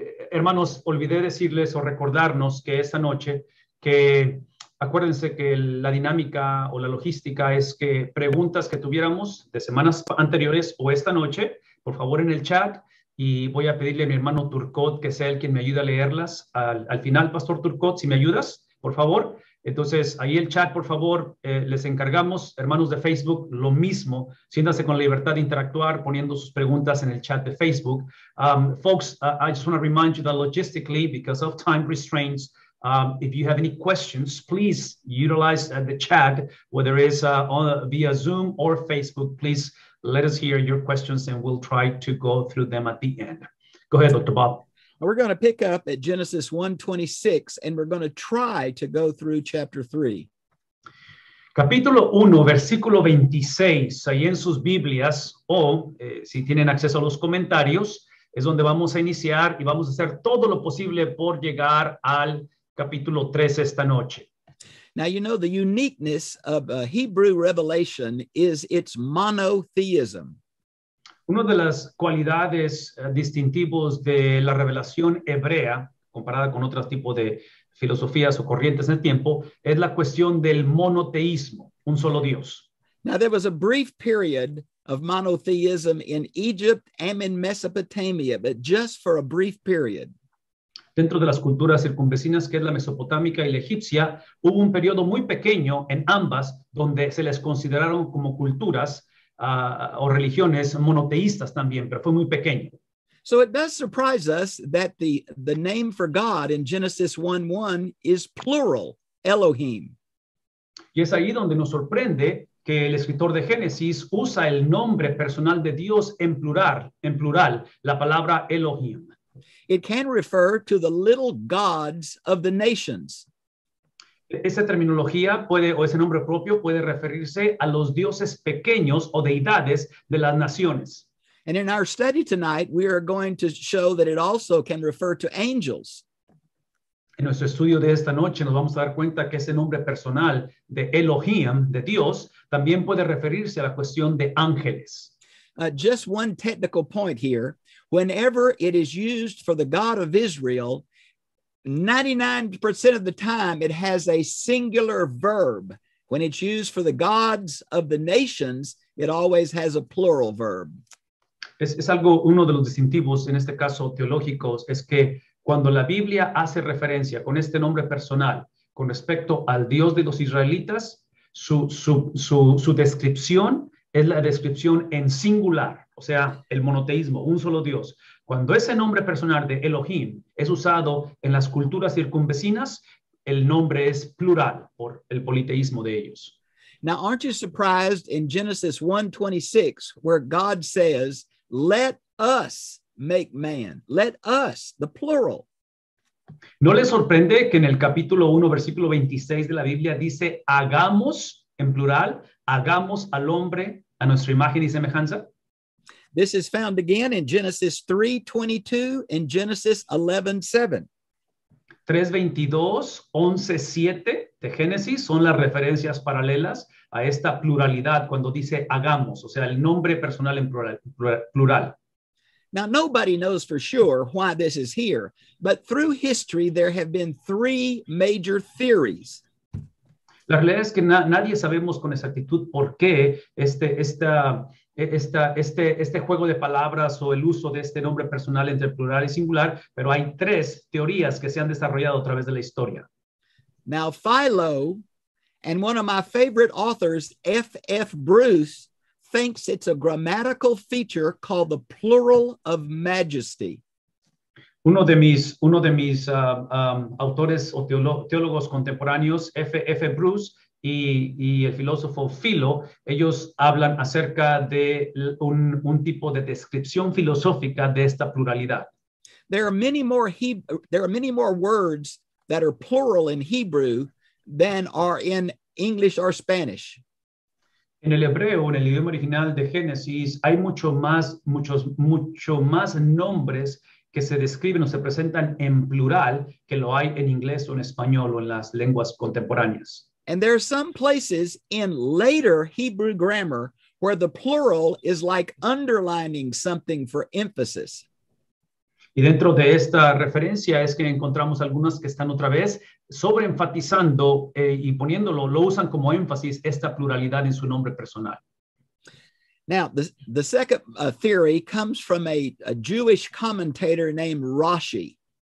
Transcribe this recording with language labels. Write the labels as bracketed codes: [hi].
[es] Hermanos, olvidé decirles o recordarnos que esta noche, que acuérdense que la dinámica o la logística es que preguntas que tuviéramos de semanas anteriores o esta noche, por favor en el chat, y voy a pedirle a mi hermano Turcot que sea el quien me ayude a leerlas al final, Pastor Turcot, si me ayudas, por favor. Entonces, ahí el chat, por favor, les encargamos, hermanos de Facebook, lo mismo. Siéntanse con la libertad de interactuar poniendo sus preguntas en el chat de Facebook. [en] Folks, I just want to remind you that logistically, because of time restraints, if you have any questions, please utilize the chat, whether it's via Zoom or Facebook. Please let us hear your questions and we'll try to go through them at the end. Go ahead, Dr. Bob. We're going to pick up at Genesis 1:26, and we're going to try to go through chapter 3. [es] Capítulo 1, versículo 26, ahí en sus Biblias, o si tienen acceso a los comentarios, es donde vamos a iniciar y vamos a hacer todo lo posible por llegar al capítulo 3 esta noche. [en] Now, you know, the uniqueness of a Hebrew revelation is its monotheism. [es] Una de las cualidades distintivos de la revelación hebrea, comparada con otro tipo de filosofías o corrientes en el tiempo, es la cuestión del monoteísmo, un solo Dios. [en] Now, there was a brief period of monotheism in Egypt and in Mesopotamia, but just for a brief period. [es] Dentro de las culturas circunvecinas, que es la mesopotámica y la egipcia, hubo un periodo muy pequeño en ambas donde se les consideraron como culturas o religiones monoteístas también, pero fue muy pequeño. [en] So it does surprise us that the name for God in Genesis 1:1 is plural, Elohim. [es] Y es ahí donde nos sorprende que el escritor de Génesis usa el nombre personal de Dios en plural, la palabra Elohim. [en] It can refer to the little gods of the nations. [es] Esa terminología puede, o ese nombre propio, puede referirse a los dioses pequeños o deidades de las naciones. [en] And in our study tonight, we are going to show that it also can refer to angels. [es] En nuestro estudio de esta noche nos vamos a dar cuenta que ese nombre personal de Elohim, de Dios, también puede referirse a la cuestión de ángeles. [en] Just one technical point here. Whenever it is used for the God of Israel, 99% of the time, it has a singular verb. When it's used for the gods of the nations, it always has a plural verb. [es] Es algo, uno de los distintivos, en este caso teológicos, es que cuando la Biblia hace referencia con este nombre personal, con respecto al Dios de los israelitas, su descripción es la descripción en singular, o sea, el monoteísmo, un solo Dios. Cuando ese nombre personal de Elohim es usado en las culturas circunvecinas, el nombre es plural por el politeísmo de ellos. [en] Now, aren't you surprised in Genesis 1:26, where God says, "Let us make man." Let us, the plural. [es] ¿No le sorprende que en el capítulo 1, versículo 26 de la Biblia dice, "Hagamos," en plural, "hagamos al hombre a nuestra imagen y semejanza"? [en] This is found again in Genesis 3:22 and Genesis 11:7. [es] 3:22, 11:7 de Génesis son las referencias paralelas a esta pluralidad cuando dice hagamos, o sea, el nombre personal en plural. [en] Now, nobody knows for sure why this is here, but through history there have been three major theories. [es] La realidad es que nadie sabemos con exactitud por qué este juego de palabras o el uso de este nombre personal entre plural y singular, pero hay tres teorías que se han desarrollado a través de la historia. [en] Now, Philo and one of my favorite authors, F.F. Bruce, thinks it's a grammatical feature called the plural of majesty. [es] Uno de mis autores o teólogos contemporáneos, F.F. Bruce, y el filósofo Philo, ellos hablan acerca de un tipo de descripción filosófica de esta pluralidad. [en] There are many more words that are plural in Hebrew than are in English or Spanish. [es] En el hebreo, en el idioma original de Génesis, hay mucho más nombres que se describen o se presentan en plural que lo hay en inglés o en español o en las lenguas contemporáneas. [en] And there are some places in later Hebrew grammar where the plural is like underlining something for emphasis. [es] Y dentro de esta referencia es que encontramos algunas que están otra vez sobreenfatizando y poniéndolo, lo usan como énfasis esta pluralidad en su nombre personal. [en] Now, the second theory comes from a Jewish commentator named Rashi.